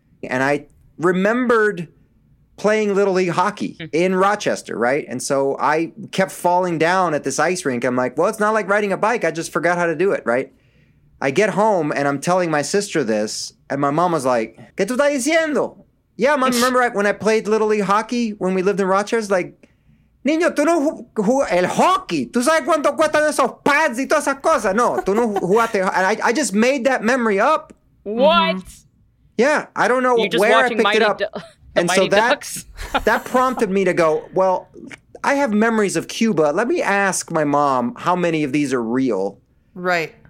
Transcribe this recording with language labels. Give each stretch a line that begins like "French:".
English: And I remembered playing Little League hockey in Rochester, right? And so I kept falling down at this ice rink. I'm like, well, it's not like riding a bike. I just forgot how to do it, right? I get home and I'm telling my sister this. And my mom was like,
Spanish: ¿qué tú estás diciendo?
English: Yeah, mom, remember when I played Little League hockey when we lived in Rochester?
Spanish: Like, niño, tú no jugaste el hockey. ¿Tú sabes cuánto cuestan esos pads y todas esas cosas? No, tú no jugaste.
English: And I just made that memory up. What? Yeah, I don't know where I picked it up. And so that prompted me to go, well, I have memories of Cuba. Let me ask my mom how many of these are real. Right.